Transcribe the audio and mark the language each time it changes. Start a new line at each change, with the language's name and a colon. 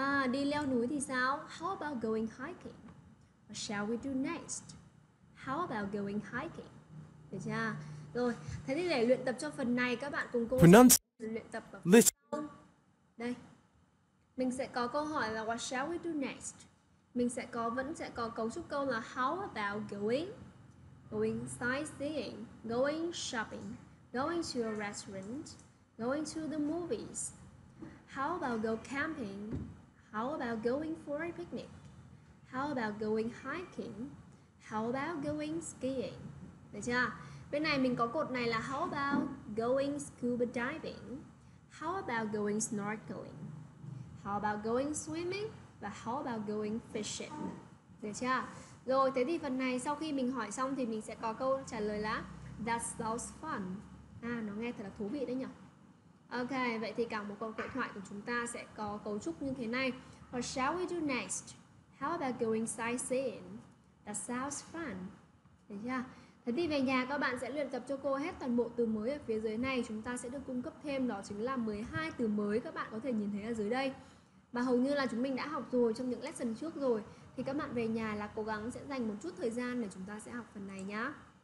Vietnamese: Đi leo núi thì sao?
English: How about going hiking? What shall we do next? How about going hiking?
Vietnamese: Được chưa? Rồi, thế thì để luyện tập cho phần này các bạn cùng cô luyện tập vào phần sau. Đây. Mình sẽ có câu hỏi là
English: what shall we do next?
Vietnamese: Mình sẽ có vẫn sẽ có cấu trúc câu là
English: how about going sightseeing, going shopping, going to a restaurant, going to the movies, how about go camping, how about going for a picnic, how about going hiking, how about going skiing. Được chưa?
Vietnamese: Bên này mình có cột này là
English: how about going scuba diving, how about going snorkeling, how about going swimming,
Vietnamese: và
English: how about going fishing.
Vietnamese: Được chưa? Rồi, thế thì phần này sau khi mình hỏi xong thì mình sẽ có câu trả lời là
English: that sounds fun.
Vietnamese: Nó nghe thật là thú vị đấy nhỉ. Ok, vậy thì cả một câu đối thoại của chúng ta sẽ có cấu trúc như thế này.
English: What shall we do next? How about going sightseeing? That sounds fun.
Vietnamese: Được chưa? Thế thì về nhà các bạn sẽ luyện tập cho cô hết toàn bộ từ mới ở phía dưới này. Chúng ta sẽ được cung cấp thêm đó chính là 12 từ mới các bạn có thể nhìn thấy ở dưới đây. Mà hầu như là chúng mình đã học rồi trong những lesson trước rồi. Thì các bạn về nhà là cố gắng sẽ dành một chút thời gian để chúng ta sẽ học phần này nhá.